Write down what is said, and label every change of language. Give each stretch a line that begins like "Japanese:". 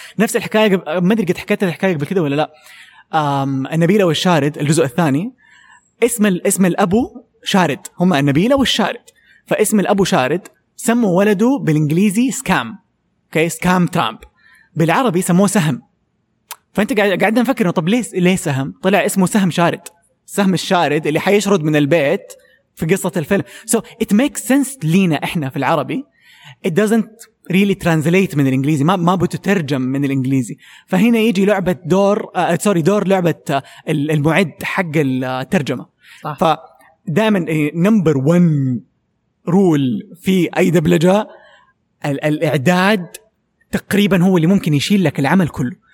Arabic: نفس الحكاية، ما أدري قد حكيت الحكاية قبل كده ولا لا، النبيلة والشارد الجزء الثاني، اسم الأبو شارد، هما النبيلة والشارد، فاسم الأبو شارد سموا ولده بالإنجليزي سكام، أوكي، سكام ترامب، بالعربي سموه سهم. فأنت قاعد نفكر طب ليه سهم؟ طلع اسمه سهم شارد، سهم الشارد اللي حيشرد من البيت في قصة الفيلم.
English: So it makes sense
Arabic: لينا إحنا في العربي.
English: It doesn't really translate
Arabic: من الإنجليزي. ما بتترجم من الإنجليزي. فهنا يجي لعبة دور سوري دور لعبة المعد حق الترجمة. صح. فدائما
English: number one rule
Arabic: في أي دبلجة الإعداد تقريبا هو اللي ممكن يشيل لك العمل كله.